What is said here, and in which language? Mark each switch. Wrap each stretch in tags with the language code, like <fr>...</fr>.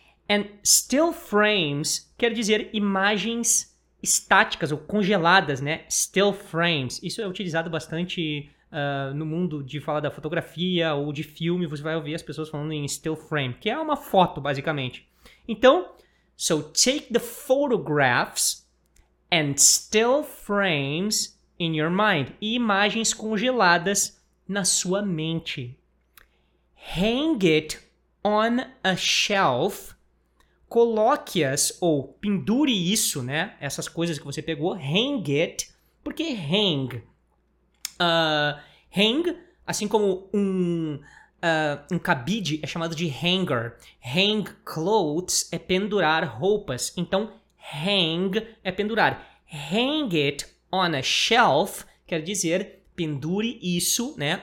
<en>And still frames</en> <pt>quer dizer imagens estáticas ou congeladas, né? Still frames. Isso é utilizado bastante no mundo de falar da fotografia ou de filme. Você vai ouvir as pessoas falando em still frame, que é uma foto, basicamente. Então,</pt> <en>so take the photographs and still frames in your mind.</en> <pt>E imagens congeladas na sua mente.</pt> <en>Hang it on a shelf.</en> <pt>coloque-as ou pendure isso, né? Essas coisas que você pegou, hang it, porque hang, hang, assim como um cabide é chamado de hanger,</pt> <en>hang clothes</en> <pt>é pendurar roupas, então hang é pendurar,</pt> <en>hang it on a shelf</en> <pt>quer dizer pendure isso, né?</pt>